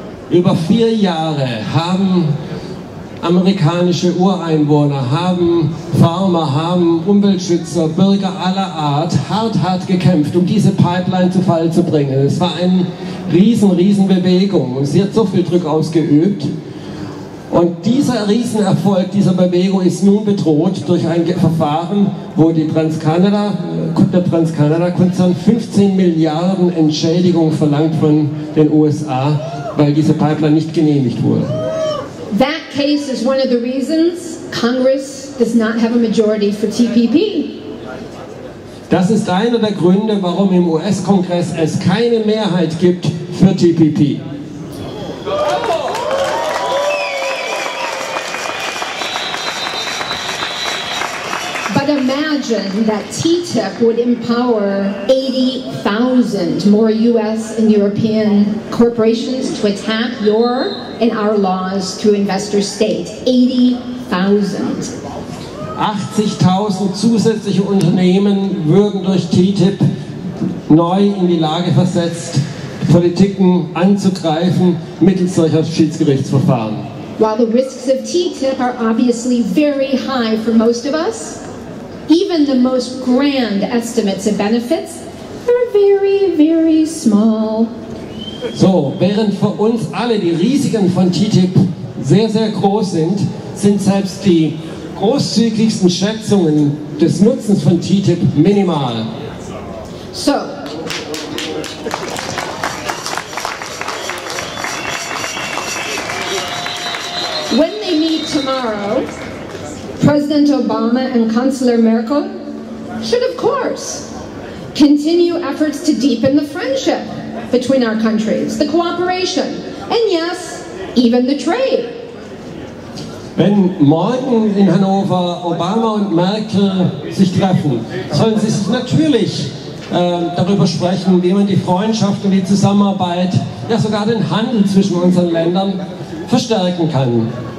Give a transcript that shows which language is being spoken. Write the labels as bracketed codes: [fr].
[de] Über 4 Jahre haben amerikanische Ureinwohner, haben Farmer, haben Umweltschützer, Bürger aller Art hart gekämpft, um diese Pipeline zu Fall zu bringen. Es war eine riesen Bewegung und sie hat so viel Druck ausgeübt. Und dieser Riesenerfolg dieser Bewegung ist nun bedroht durch ein Verfahren, wo der Trans-Kanada-Konzern 15 Milliarden Entschädigung verlangt von den USA, weil diese Pipeline nicht genehmigt wurde. [en] That case is one of the reasons Congress does not have a majority for TPP. [de] Das ist einer der Gründe, warum im US-Kongress es keine Mehrheit gibt für TPP. [en] But imagine that TTIP would empower 80,000 more US and European corporations to attack your and our laws through investor state. 80,000. [de] 80,000 zusätzliche Unternehmen würden durch TTIP neu in die Lage versetzt, Politiken anzugreifen mittels solcher Schiedsgerichtsverfahren. [en] While the risks of TTIP are obviously very high for most of us, even the most grand estimates of benefits are very, very small. [de] So, während für uns alle die Risiken von TTIP sehr groß sind, sind selbst die großzügigsten Schätzungen des Nutzens von TTIP minimal. [en] So. When they meet tomorrow, President Obama and Chancellor Merkel should, of course, continue efforts to deepen the friendship between our countries, the cooperation, and yes, even the trade. [de] Wenn morgen in Hannover Obama und Merkel sich treffen, sollen sie sich natürlich darüber sprechen, wie man die Freundschaft und die Zusammenarbeit, ja sogar den Handel zwischen unseren Ländern verstärken kann.